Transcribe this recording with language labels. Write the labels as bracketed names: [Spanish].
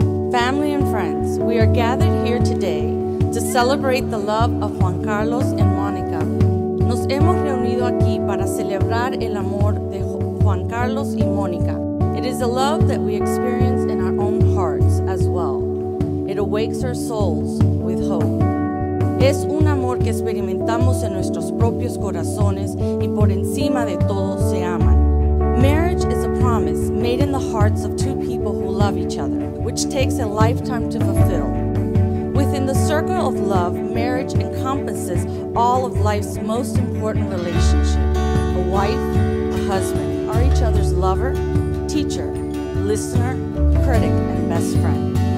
[English] family and friends, we are gathered here today to celebrate the love of Juan Carlos and Monica. [Spanish] Nos hemos reunido aquí para celebrar el amor de Juan Carlos y Monica. [English] It is a love that we experience in our own hearts as well. It awakes our souls with hope. [Spanish] Es un amor que experimentamos en nuestros propios corazones y por encima de todo se aman. [English] Marriage is a promise made in the hearts of two people who love each other, which takes a lifetime to fulfill. Within the circle of love, marriage encompasses all of life's most important relationships. A wife, a husband, are each other's lover, teacher, listener, critic, and best friend.